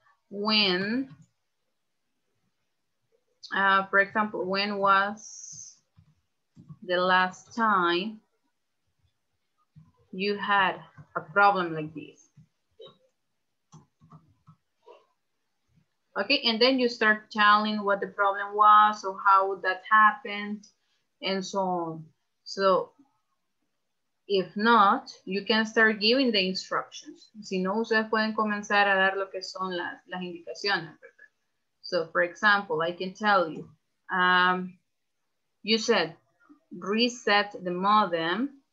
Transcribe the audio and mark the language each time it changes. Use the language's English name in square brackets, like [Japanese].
[English] When, for example, when was the last time you had a problem like this? Okay, and then you start telling what the problem was or how that happened and so on. So if not, you can start giving the instructions. [Spanish] Si no, ustedes pueden comenzar a dar lo que son las indicaciones. [English] So for example, I can tell you, you said reset the modem.